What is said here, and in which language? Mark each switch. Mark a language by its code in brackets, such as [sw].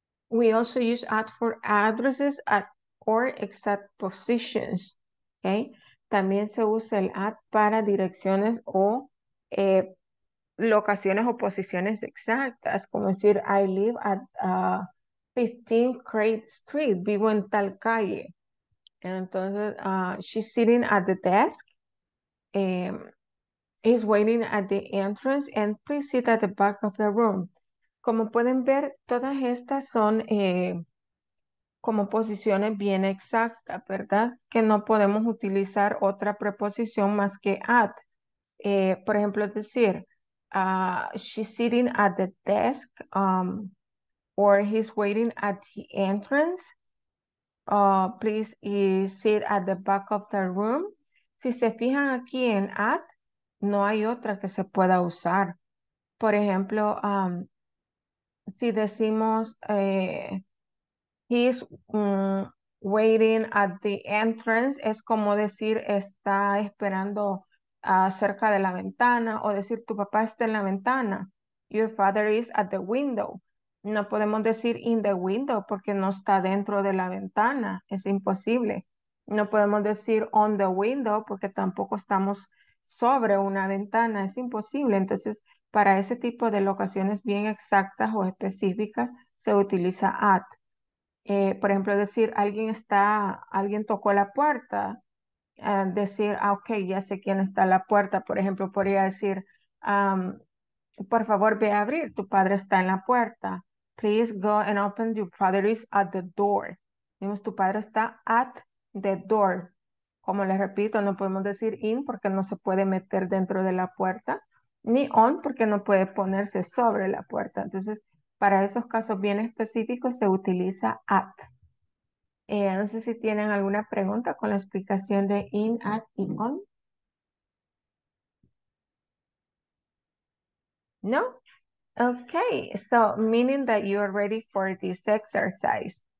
[en] We also use at for addresses at or exact positions. Okay? [es] También se usa el at para direcciones o locaciones o posiciones exactas, como decir, [en] I live at 15 Craig Street, [es] vivo en tal calle. [en] Entonces, she's sitting at the desk, is waiting at the entrance, and please sit at the back of the room. [es] Como pueden ver, todas estas son como posiciones bien exactas, ¿verdad? Que no podemos utilizar otra preposición más que at. Por ejemplo, decir, [en] she's sitting at the desk, or he's waiting at the entrance. Please sit at the back of the room. [es] Si se fijan aquí en at, no hay otra que se pueda usar. Por ejemplo, si decimos, [en] he's waiting at the entrance, [es] es como decir, está esperando cerca de la ventana, o decir, tu papá está en la ventana. [en] Your father is at the window. [es] No podemos decir [en] in the window [es] porque no está dentro de la ventana, es imposible. No podemos decir [en] on the window [es] porque tampoco estamos sobre una ventana, es imposible. Entonces, para ese tipo de locaciones bien exactas o específicas, se utiliza at. Por ejemplo, decir alguien tocó la puerta, decir, ah, ok, ya sé quién está a la puerta. Por ejemplo, podría decir, por favor, ve a abrir, tu padre está en la puerta. [en] Please go and open, your father is at the door. [es] Vemos, tu padre está [en] at the door. [es] Como les repito, no podemos decir in porque no se puede meter dentro de la puerta, ni on porque no puede ponerse sobre la puerta. Entonces, para esos casos bien específicos se utiliza at. No sé si tienen alguna pregunta con la explicación de in, at y on. No? [en] Okay, so meaning that you are ready for this exercise.